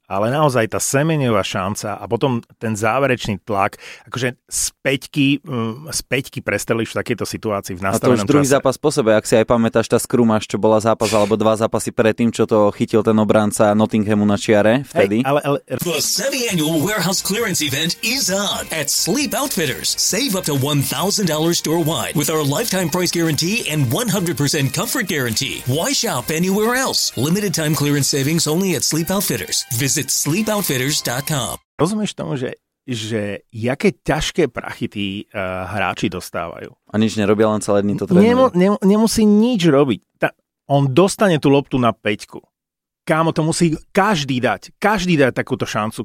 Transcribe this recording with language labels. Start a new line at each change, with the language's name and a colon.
Slovak: Ale naozaj tá semeniová šanca a potom ten záverečný tlak, akože späťky prestreliš v takejto situácii v nastavenom čase. A to už druhý zápas po sebe, ak si aj pamätáš tá skrumáž, čo bola zápas, alebo dva zápasy pred tým, čo to chytil ten obranca Nottinghamu na čiare vtedy. Hey, ale...
English: The semi-annual warehouse clearance event is on at Sleep Outfitters. Save up to $1,000 store-wide with our lifetime price guarantee and 100% comfort guarantee. Why shop anywhere else? Limited time clearance savings only at Sleep Outfitters. Visit sleepoutfitters.com.
Slovak: Rozumieš tomu, že jaké ťažké prachy tí hráči dostávajú? A nič nerobia, len celé dny to trénujú. Nemusí nič robiť. On dostane tú loptu na peťku. Kámo, to musí každý dať. Každý dať takúto šancu.